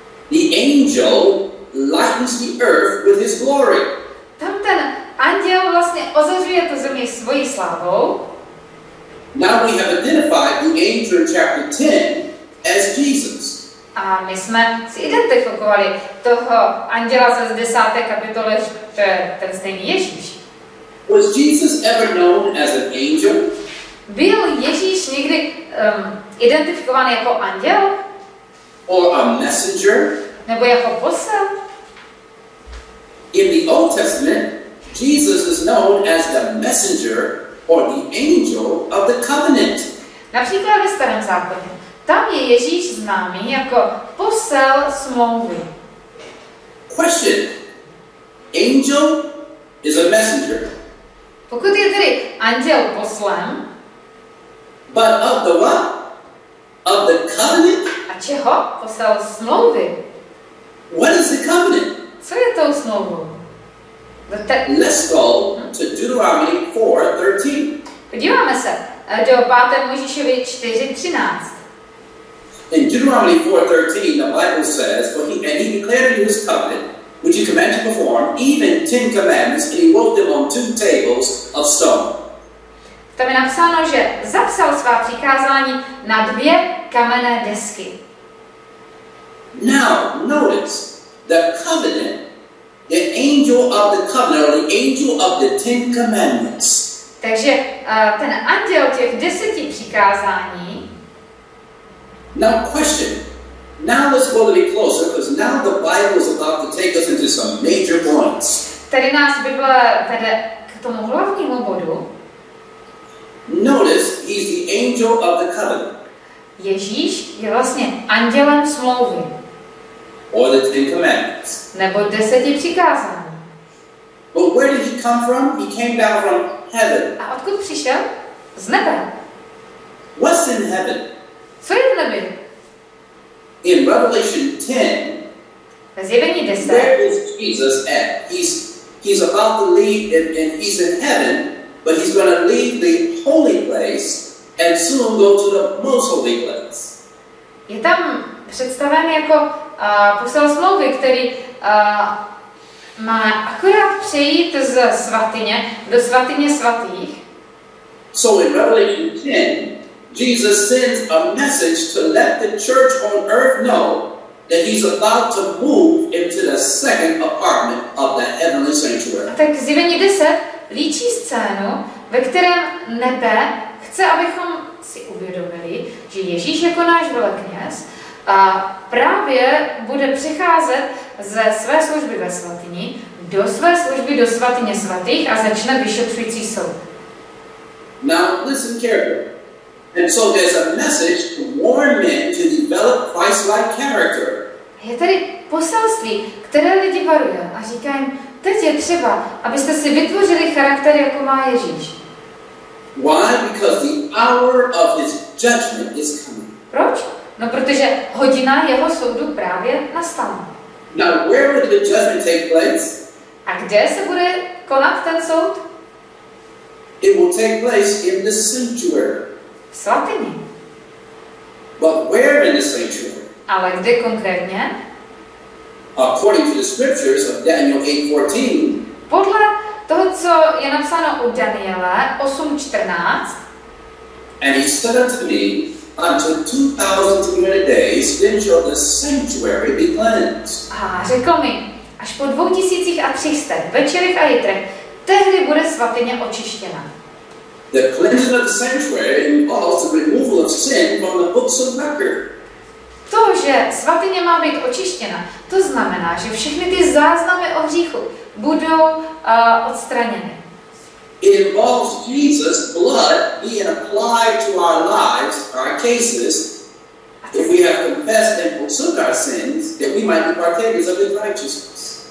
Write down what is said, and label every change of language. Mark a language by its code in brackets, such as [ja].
[en] The angel lightens the earth with his glory. [cs] Tam ten anděl vlastně ozařuje tu Země svojí slávou. [en] Now we have identified the angel in chapter 10 as Jesus. [cs] A my jsme si identifikovali toho anděla z 10. kapitole, že ten stejný Ježíš. [en] Was Jesus ever known as an angel? [cs] Byl Ježíš někdy identifikován jako anděl? [en] Or a messenger? [cs] Nebo jako posel? [en] In the Old Testament, Jesus is known as the messenger or the angel of the covenant. [cs] Například ve Starém zákoně. Tam je Ježíš známý jako posel smlouvy. [en] Question. Angel is a messenger. [cs] Pokud je tedy anděl poslem. [en] But of the what? Of the covenant? [cs] A čeho? Posel smlouvy. [en] What is the covenant? [cs] Co je tou smlouvou? [en] Let's go to Deuteronomy 4:13. [cs] Podíváme se do 5. Mojžíšovi 4:13. [en] In Deuteronomy 4:13, the Bible says, "For he declared you his covenant, which he commanded to perform, even 10 commandments, and he wrote them on 2 tables of stone." [cs] Tam je napsáno, že zapsal svá přikázání na 2 kamenné desky. [en] Now, notice the covenant. The angel of the covenant, or the angel of the Ten Commandments. [cs] Takže ten anděl těch 10 přikázání. [en] Now question. Now let's go a little closer, because now the Bible is about to take us into some major points. [cs] Tady nás Bible vede k tomu hlavnímu bodu. [en] Notice, he's the angel of the covenant. [cs] Ježíš je vlastně andělem smlouvy. [en] Or the Ten Commandments. [cs] Nebo 10 přikázání. [en] But where did he come from? He came down from heaven. [cs] A odkud přišel? Z nebe. [en] What's in heaven? [cs] Co je v nebi? [en] In Revelation 10. [cs] Ve zjevení 10. [en] Where is Jesus at? He's about to leave and he's in heaven, but he's going to leave the holy place and soon go to the most holy place. [cs] Je tam představen jako posel smlouvy, který má akorát přejít z svatyně do svatyně svatých. [en] So in Revelation 10, Jesus sends a message to let the church on earth know that he's about to move into the second apartment of the heavenly sanctuary. [cs] A tak zjevení 10 líčí scénu, ve kterém nebe chce, abychom si uvědomili, že Ježíš jako náš velekněz a právě bude přicházet ze své služby ve svatyni do své služby do svatyně svatých a začne vyšetřující soud. [en] Now listen carefully. And so there's a message to warn men to develop Christ-like character. [cs] Je tady poselství, které lidi varuje a říká jim, teď je třeba, abyste si vytvořili charakter, jako má Ježíš. [en] Why? Because the hour of his judgment is coming. [cs] Proč? No, protože hodina jeho soudu právě nastala. [en] Now, where will the judgment take place? [cs] A kde se bude konat ten soud? [en] It will take place in the sanctuary. [cs] V svatyni. [en] But where in the sanctuary? [cs] Ale kde konkrétně? [en] According to the scriptures of Daniel 8:14. [cs] Podle toho, co je napsáno u Daniela 8:14. [en] And he said unto me, until 2,300 days, then shall the sanctuary be cleansed. [cs] A řekl mi, až po 2,300 večerech a jitrech, tehdy bude svatyně očištěna. [en] The cleansing of the sanctuary involves the removal of sin from the books of record. [cs] To, že svatyně má být očištěna, to znamená, že všechny ty záznamy o hříchu budou odstraněny. [en] It involves Jesus' blood being applied to our lives, our cases, if we have confessed and pursued our sins, that we might be partakers of his righteousness.